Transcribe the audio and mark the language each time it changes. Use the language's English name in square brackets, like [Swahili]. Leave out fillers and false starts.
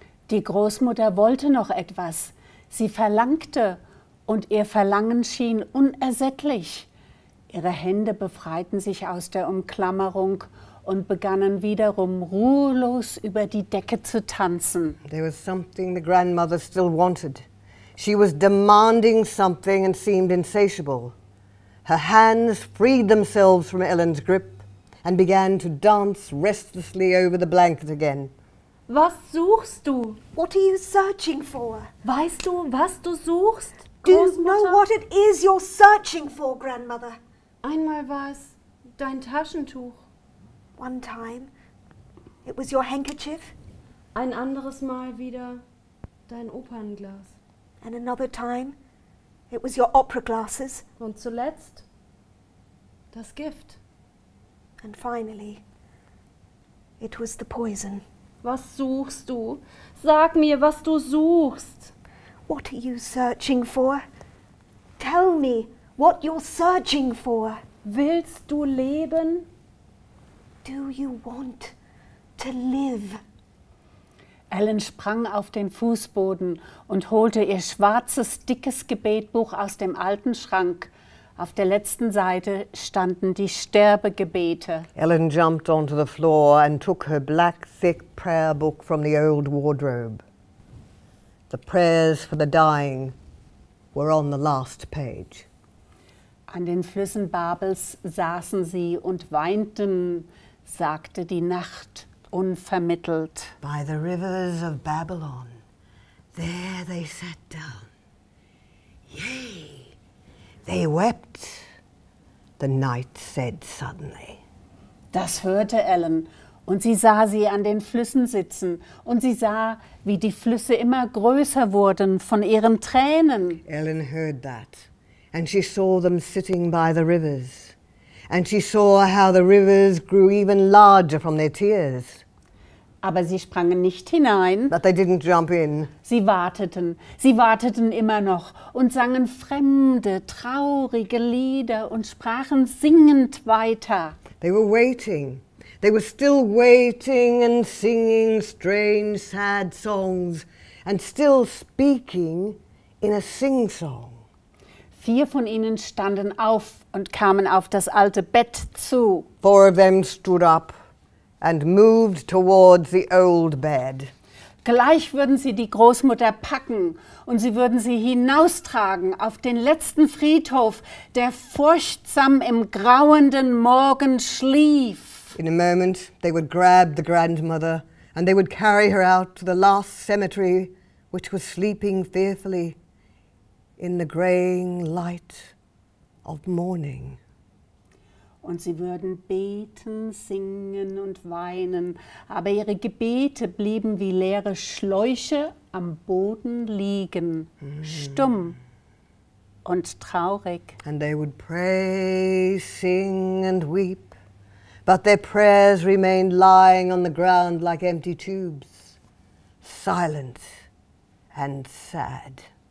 [German] Die Großmutter wollte noch etwas. Sie verlangte, und ihr Verlangen schien unersättlich. Ihre Hände befreiten sich aus der Umklammerung und begannen wiederum ruhelos über die Decke zu tanzen. [English] There was something the grandmother still wanted. She was demanding something and seemed insatiable. Her hands freed themselves from Ellen's grip and began to dance restlessly over the blanket again. [German] Was suchst du? [English] What are you searching for? [German] Weißt du, was du suchst, [English] Do you know what it is you're searching for, Grandmother? [German] Einmal war es dein Taschentuch. [English] One time, it was your handkerchief. [German] Ein anderes Mal wieder dein Opernglas. [English] And another time, it was your opera glasses. [German] Und zuletzt das Gift. [English] And finally, it was the poison. [German] Was suchst du? Sag mir, was du suchst. [English] What are you searching for? Tell me, what you're searching for. [German] Willst du leben? [English] Do you want to live? [German] Ellen sprang auf den Fußboden und holte ihr schwarzes, dickes Gebetbuch aus dem alten Schrank. Auf der letzten Seite standen die Sterbegebete. [English] Ellen jumped onto the floor and took her black, thick prayer book from the old wardrobe. The prayers for the dying were on the last page. [German] An den Flüssen Babels saßen sie und weinten, sagte die Nacht unvermittelt. [English] By the rivers of Babylon, there they sat down. Yea, they wept, the night said suddenly. [German] Das hörte Ellen, und sie sah sie an den Flüssen sitzen, und sie sah, wie die Flüsse immer größer wurden von ihren Tränen. [English] Ellen heard that, and she saw them sitting by the rivers, and she saw how the rivers grew even larger from their tears. [German] Aber sie sprangen nicht hinein. [English] But they didn't jump in. [German] Sie warteten immer noch und sangen fremde, traurige Lieder und sprachen singend weiter. [English] They were waiting. They were still waiting and singing strange, sad songs and still speaking in a sing-song. [German] Vier von ihnen standen auf und kamen auf das alte Bett zu. [English] Four of them stood up and moved towards the old bed. [German] Gleich würden sie die Großmutter packen und sie würden sie hinaustragen auf den letzten Friedhof, der furchtsam im grauenden Morgen schlief. [English] In a moment they would grab the grandmother and they would carry her out to the last cemetery, which was sleeping fearfully in the graying light of morning. [German] Und sie würden beten, singen und weinen, aber ihre Gebete blieben wie leere Schläuche am Boden liegen, stumm und traurig. [English] And they would pray, sing and weep, but their prayers remained lying on the ground like empty tubes, silent and sad.